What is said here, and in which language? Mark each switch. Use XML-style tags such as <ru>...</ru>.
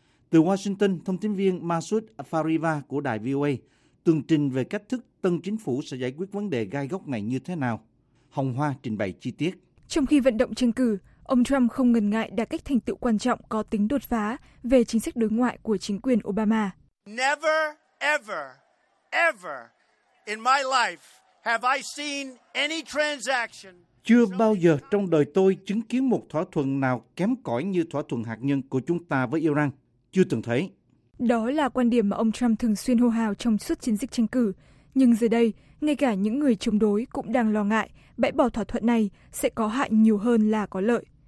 <vi>Từ Washington, thông tin viên Masoud Fariva của đài VOA tường trình về cách thức tân chính phủ sẽ giải quyết vấn đề gai góc này như thế nào. Hồng Hoa trình bày chi tiết. Trong khi vận động tranh cử, ông Trump không ngần ngại đạt các thành tựu quan trọng có tính đột phá về chính sách đối ngoại của chính quyền Obama.</vi> <en>Never, ever, ever in my life have I seen any transaction.</en> <vi>Chưa bao giờ trong đời tôi chứng kiến một thỏa thuận nào kém cỏi như thỏa thuận hạt nhân của chúng ta với Iran. Chưa từng thấy. Đó là quan điểm mà ông Trump thường xuyên hô hào trong suốt chiến dịch tranh cử. Nhưng giờ đây, ngay cả những người chống đối cũng đang lo ngại bãi bỏ thỏa thuận này sẽ có hại nhiều hơn là có lợi.</vi>